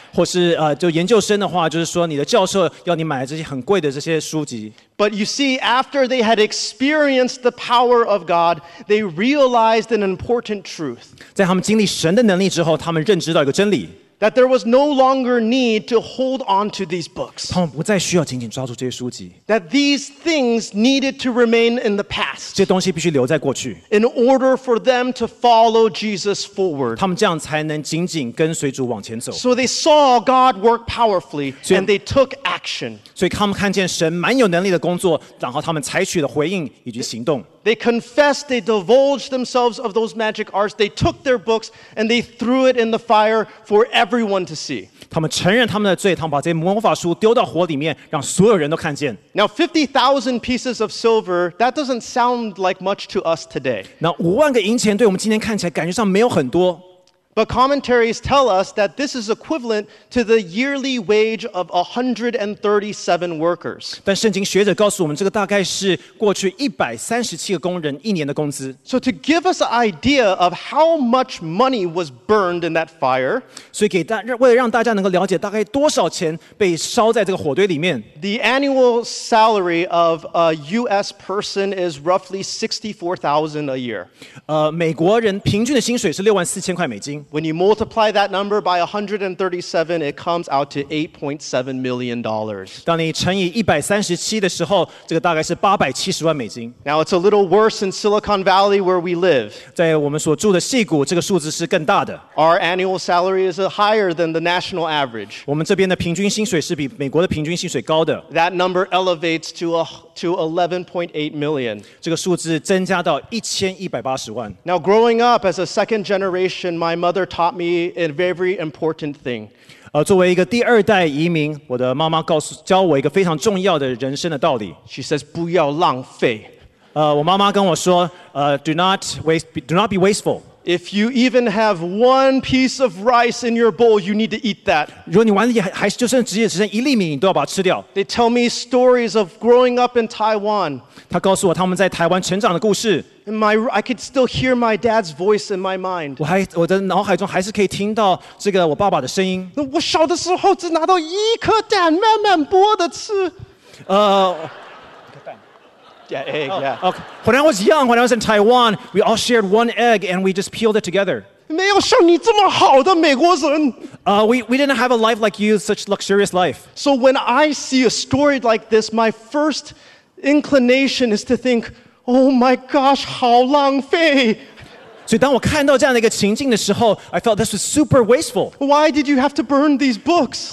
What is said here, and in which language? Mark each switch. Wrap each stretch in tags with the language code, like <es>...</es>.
<zh>或是就研究生的话，就是说你的教授要你买这些很贵的这些书籍。</zh> <en>But you see, after they had experienced the power of God, they realized an important truth.</en> <zh>在他们经历神的能力之后，他们认知到一个真理。</zh> <en>That there was no longer need to hold on to these books.</en> <zh>他们不再需要紧紧抓住这些书籍。</zh> <en>That these things needed to remain in the past.</en> <zh>这些东西必须留在过去。</zh> <en>In order for them to follow Jesus forward.</en> <zh>他们这样才能紧紧跟随主往前走。</zh> <en>So they saw God work powerfully and they took action.</en> <zh>所以他们看见神蛮有能力的工作，然后他们采取了回应以及行动。</zh> <en>They confessed, they divulged themselves of those magic arts, they took their books, and they threw it in the fire for everyone to see.</en> <zh>他们承认他们的罪，他们把这些魔法书丢到火里面，让所有人都看见。</zh> <en>Now, 50,000 pieces of silver, that doesn't sound like much to us today.</en> <zh>那五万个银钱对我们今天看起来感觉上没有很多。</zh> <en>But commentaries tell us that this is equivalent to the yearly wage of 137 workers.</en> <zh>但圣经学者告诉我们，这个大概是过去137个工人一年的工资。</zh> <en>So to give us an idea of how much money was burned in that fire,</en> <zh>所以给大家，为了让大家能够了解大概多少钱被烧在这个火堆里面。</zh> <en>The annual salary of a U.S. person is roughly $64,000 a year.</en> <zh>美国人平均的薪水是64,000块美金。</zh> <en>When you multiply that number by 137, it comes out to $8.7 million.</en> <zh>当你乘以137的时候，这个大概是870万美金。</zh> <en>Now it's a little worse in Silicon Valley where we live.</en> <zh>在我们所住的硅谷，这个数字是更大的。</zh> <en>Our annual salary is higher than the national average.</en> <zh>我们这边的平均薪水是比美国的平均薪水高的。</zh> <en>That number elevates to 11.8 million.</en> <zh>这个数字增加到1180万。</zh> <en>Now growing up as a second generation, my mother taught me a very important thing.</en> <zh>作为一个第二代移民，我的妈妈教我一个非常重要的人生的道理。</zh> <en>She says,</en> <zh>不要浪费。我妈妈跟我说,</zh> <en>do not be wasteful. If you even have one piece of rice in your bowl, you need to eat that.</en> <zh>如果你碗里还就剩只剩一粒米，你都要把它吃掉。</zh> <en>They tell me stories of growing up in Taiwan.</en> <zh>他告诉我他们在台湾成长的故事。</zh> <en>I could still hear my dad's voice in my mind.</en> <zh>我的脑海中还是可以听到这个我爸爸的声音。我小的时候只拿到一颗蛋，慢慢剥的吃。</zh> <en>Okay. When I was young, when I was in Taiwan, we all shared one egg and we just peeled it together.</en> <zh>没有像你这么好的美国人。</zh> <en>We didn't have a life like you, such luxurious life. So when I see a story like this, my first inclination is to think, oh my gosh,</en> <zh>好浪费。所以当我看到这样的一个情境的时候</zh> <en>I felt this was super wasteful. Why did you have to burn these books?</en>